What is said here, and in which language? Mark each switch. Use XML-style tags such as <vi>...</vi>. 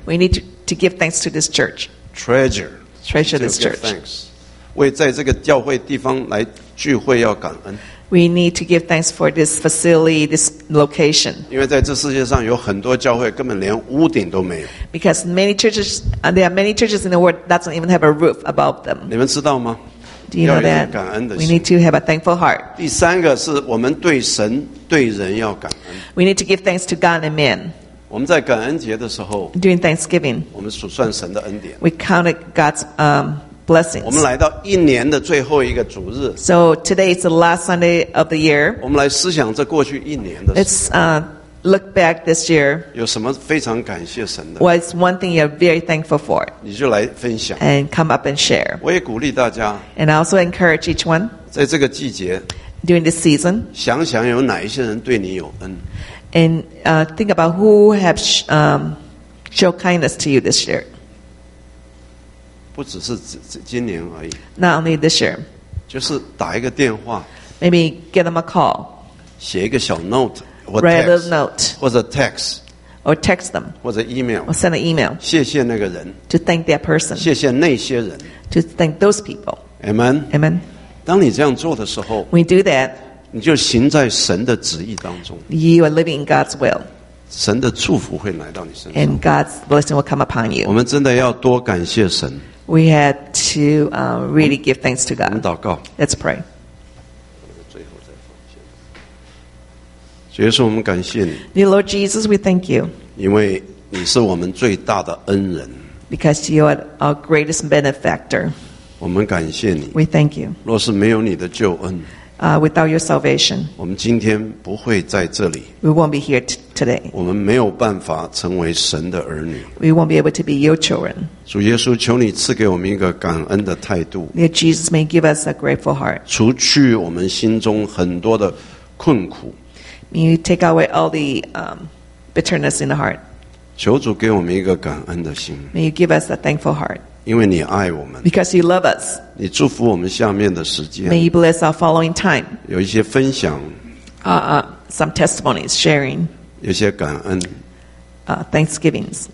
<en>We need to give thanks to this church. Treasure this church. Thanks.</en> <zh>为在这个教会地方来聚会要感恩。</zh> <en>We need to give thanks for this facility, this location.</en> <zh>因为在这世界上有很多教会根本连屋顶都没有。</zh> <en>Because many churches, there are many churches in the world that don't even have a roof above them.</en> <zh>你们知道吗？</zh> <en>Do you know that?</en> <zh>要有点感恩的心。</zh> <en>We need to have a thankful heart.</en> <zh>第三个是我们对神对人要感恩。</zh> <en>We need to give thanks to God and man.</en> <zh>我们在感恩节的时候</zh> <en>，During Thanksgiving，</en> <zh>我们数算神的恩典。</zh> <en>We counted God's blessings。</en> <zh>我们来到一年的最后一个主日。</zh> <en>So today is the last Sunday of the year。</en> <zh>我们来思想这过去一年的事。</zh> <en>Let's look back this year。</en> <zh>有什么非常感谢神的</zh> <en>？What's one thing you're very thankful for？</en> <zh>你就来分享。</zh> <en>And come up and share。</en> <zh>我也鼓励大家。</zh> <en>And I also encourage each one。</en> <zh>在这个季节</zh> <en>，During this season，</en> <zh>想想有哪一些人对你有恩。</zh> <en>And think about who have showed kindness to you this year.</en> <zh>不只是今年而已。</zh> <en>Not only this year.</en> <zh>就是打一个电话。</zh> <en>Maybe get them a call.</en> <zh>写一个小 note.</zh> <en>Or text, write a little note.</en> <zh>或者 text.</zh> <en>Or text them.</en> <zh>或者 email.</zh> <en>Or send an email.</en> <zh>谢谢那个人。</zh> <en>To thank that person.</en> <zh>谢谢那些人。</zh> <en>To thank those people. Amen. Amen.</en> <zh>当你这样做的时候。</zh> <en>We do that.</en> <zh>你就行在神的旨意当中。</zh> <en>You are living in God's will.</en> <zh>神的祝福会来到你身上。</zh> <en>And God's blessing will come upon you.</en> <zh>我们真的要多感谢神。</zh> <en>We had to really give thanks to God.</en> <zh>我们祷告。</zh> <en>Let's pray.</en> <zh>最后再放下。主耶稣，我们感谢你。</zh> <en>Dear Lord Jesus, we thank you.</en> <zh>因为你是我们最大的恩人。</zh> <en>Because you are our greatest benefactor.</en> <zh>我们感谢你。</zh> <en>We thank you.</en> <zh>若是没有你的救恩。</zh> <en>Without your salvation,</en> <zh>我们今天不会在这里。</zh> <en>We won't be here today.</en> <zh>我们没有办法成为神的儿女。</zh> <en>We won't be able to be your children.</en> <zh>主耶稣，求你赐给我们一个感恩的态度。</zh> <en>Dear Jesus, may give us a grateful heart.</en> <zh>除去我们心中很多的困苦。</zh> <en>May you take away all the bitterness in the heart.</en> <zh>求主给我们一个感恩的心。</zh> <en>May you give us a thankful heart.</en> <zh>因为你爱我们</zh> <en>，Because you love us，</en> <zh>你祝福我们下面的时间</zh> <en>，May you bless our following time，</en> <zh>有一些分享</zh> <en>，some testimonies sharing，</en> <zh>有些感恩</zh> <en>，thanksgivings，</en>